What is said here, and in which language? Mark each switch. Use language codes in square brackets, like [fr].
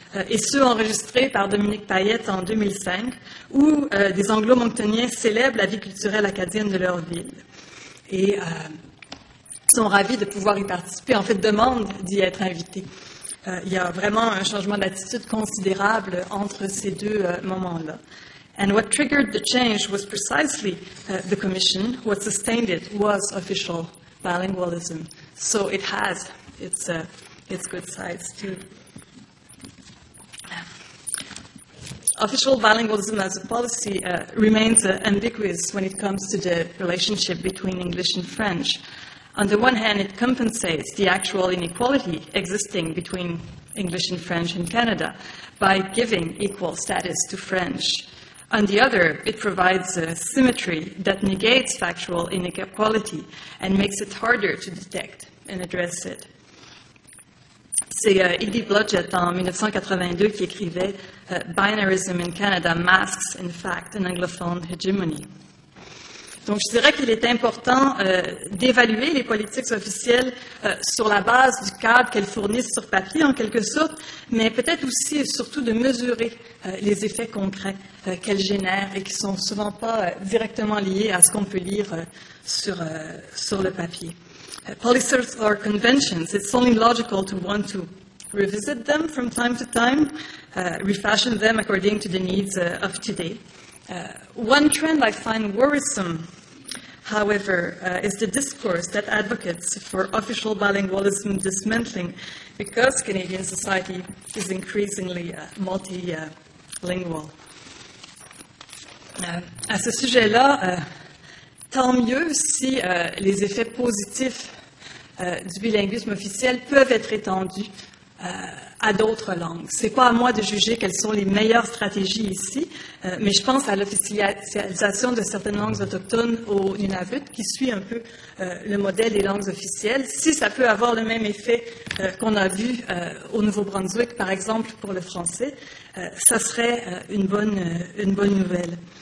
[fr] Et ceux enregistrés par Dominique Payette en 2005, où des anglo-montoniens célèbrent la vie culturelle acadienne de leur ville et sont ravis de pouvoir y participer, en fait demandent d'y être invités. Il y a vraiment un changement d'attitude considérable entre ces deux moments-là. [en] And what triggered the change was precisely the commission. What sustained it was official bilingualism. So it has its good sides too. Official bilingualism as a policy remains ambiguous when it comes to the relationship between English and French. On the one hand, it compensates the actual inequality existing between English and French in Canada by giving equal status to French. On the other, it provides a symmetry that negates factual inequality and makes it harder to detect and address it. [fr] C'est Edie Blodgett en 1982 qui écrivait [en] « Binarism in Canada masks, in fact, an anglophone hegemony ». [fr] Donc, je dirais qu'il est important d'évaluer les politiques officielles sur la base du cadre qu'elles fournissent sur papier, en quelque sorte, mais peut-être aussi et surtout de mesurer les effets concrets qu'elles génèrent et qui ne sont souvent pas directement liés à ce qu'on peut lire sur le papier. [en] Policies are conventions. It's only logical to want to revisit them from time to time, refashion them according to the needs of today. One trend I find worrisome, however, is the discourse that advocates for official bilingualism dismantling because Canadian society is increasingly multilingual. [fr] À ce sujet-là, tant mieux si les effets positifs du bilinguisme officiel peuvent être étendus à d'autres langues. Ce n'est pas à moi de juger quelles sont les meilleures stratégies ici, mais je pense à l'officialisation de certaines langues autochtones au Nunavut, qui suit un peu le modèle des langues officielles, si ça peut avoir le même effet qu'on a vu au Nouveau-Brunswick, par exemple pour le français, ça serait une bonne nouvelle.